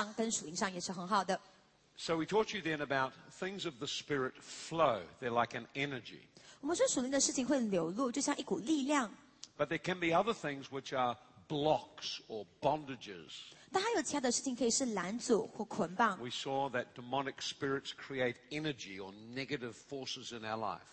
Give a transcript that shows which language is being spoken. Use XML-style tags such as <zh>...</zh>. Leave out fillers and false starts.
<zh>笑呢,对身体而言是很好的,情绪上跟属灵上也是很好的。So</zh> <en>we taught you then about things of the spirit flow. They're like an energy.</en> <zh>我们说属灵的事情会流露,就像一股力量。But</zh> <en>there can be other things which are blocks or bondages. We saw that demonic spirits create energy or negative forces in our life.</en>